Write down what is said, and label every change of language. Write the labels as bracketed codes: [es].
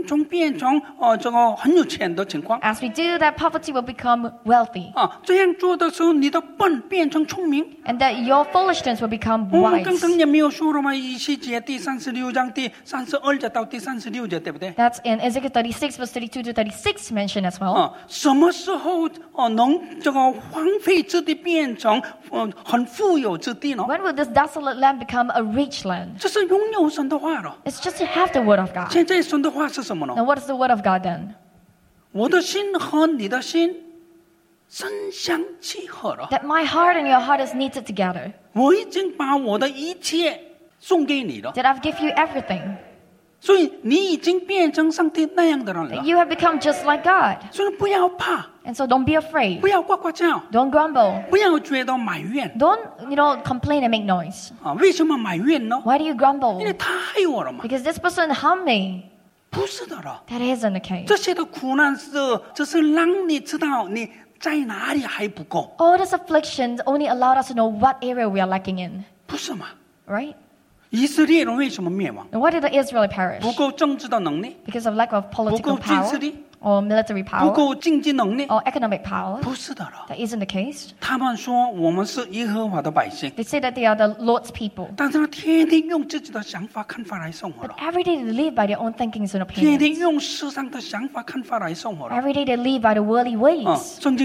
[zh] 那么这样做的时候现在你的贫穷变成这个很有钱的情况 [en] As we do that poverty will become wealthy [zh] 这样做的时候你的笨变成聪明 [en] And that your foolishness will become wise [zh] 我刚刚也没有说了吗 以西结第36章第32节到第36节对不对 [en] That's in Ezekiel 36 verse 32 to 36 mentioned as well [zh] 什么时候能这个荒废之地变成很富有之地呢 [en] When will this desolate land become a rich land [zh] 这是拥有神的话了 [en] It's just to have the word of God. [zh] 现在神的话是什么呢? [en] Now what is the word of God then? [zh] 我的心和你的心真相契合了。 [en] That my heart and your heart is knitted together. [zh] 我已经把我的一切送给你了。 [en] That I've given you everything. [zh] 所以你已经变成上帝那样的人了。 [en] You have become just like God. [zh] 所以不要怕。 [en] And so don't be afraid. [zh] 不要呱呱叫。 [en] Don't grumble. [zh] 不要觉得埋怨。 [en] Don't, you know, complain and make noise. [zh] 为什么埋怨呢? [en] Why do you grumble? [zh] 因为他害我了嘛。 [en] Because this person harmed me. [zh] 不是的了。 [en] That isn't the case. [zh] 这些的苦难是让你知道你 在哪里还不够。 [en] All this affliction only allowed us to know what area we are lacking in. [zh] 不是吗? [en] Right? [zh] 以色列人为什么灭亡? [en] Why did the Israelites perish? [zh] 不够政治的能力? [en] Because of lack of political [zh] 不够军事力? [en] Power? [zh] 不够军事力? [en] Or military power? [zh] 不够经济能力? [en] Or economic power? [zh] 不是的了。 [en] That isn't the case. [zh] 他们说我们是耶和华的百姓。 [en] They say that they are the Lord's people. [zh] 但是他天天用自己的想法看法来生活了。 [en] But every day they live by their own thinkings and opinions. [zh] 天天用世上的想法看法来生活了。 [en] Every day they live by the worldly ways.